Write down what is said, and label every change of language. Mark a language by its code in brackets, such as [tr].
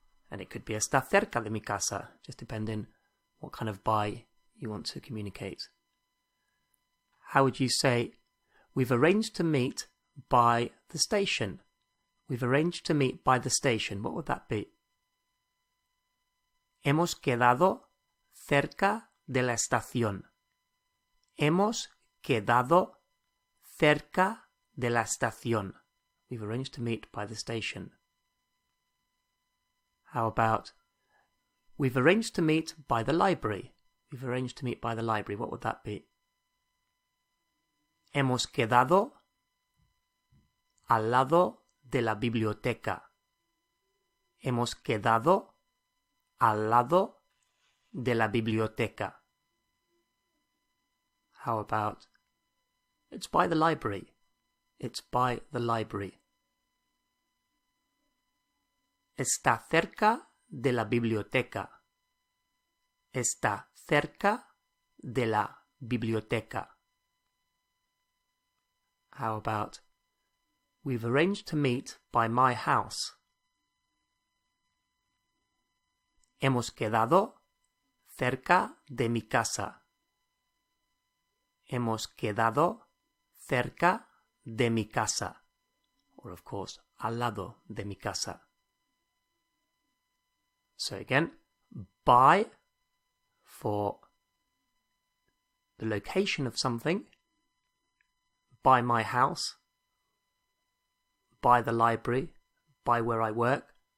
[en] And it could be [es] está cerca de mi casa, [en] just depending what kind of by you want to communicate. How would you say, we've arranged to meet by the station. We've arranged to meet by the station. What would that be? [es] Hemos quedado cerca de la estación. Hemos quedado cerca de la estación. [en] We've arranged to meet by the station. How about we've arranged to meet by the library? We've arranged to meet by the library. What would that be? [es] Hemos quedado al lado de la biblioteca. Hemos quedado al lado de la biblioteca. [en] How about it's by the library? It's by the library. [es] Está cerca de la biblioteca. Está cerca de la biblioteca. [en] How about we've arranged to meet by my house? [es] Hemos quedado cerca de mi casa. Hemos quedado cerca de mi casa. [en] Or, of course, [es] al lado de mi casa. [en] So again, by for the location of something, by my house, by the library, by where I work.